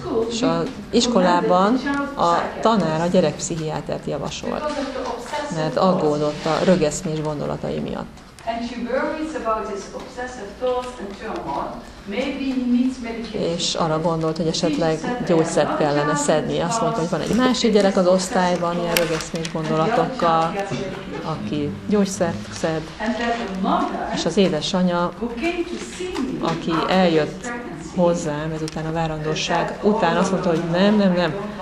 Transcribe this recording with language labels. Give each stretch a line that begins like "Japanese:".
Hungarian: És az iskolában a tanár a gyerekpszichiátert javasolt, mert aggódott a rögeszmés gondolatai miatt.
English: And she worries about his obsessive thoughts and turmoil. Maybe he needs medication.
Hungarian: És arra gondolt, hogy esetleg gyógyszert kellene szednie. Azt mondta, hogy van egy másik gyerek az osztályban, ilyen rögeszmés gondolatokkal, aki gyógyszert szed. És az édesanya, aki eljött hozzám ezután a várandóság után, azt mondta, hogy nem.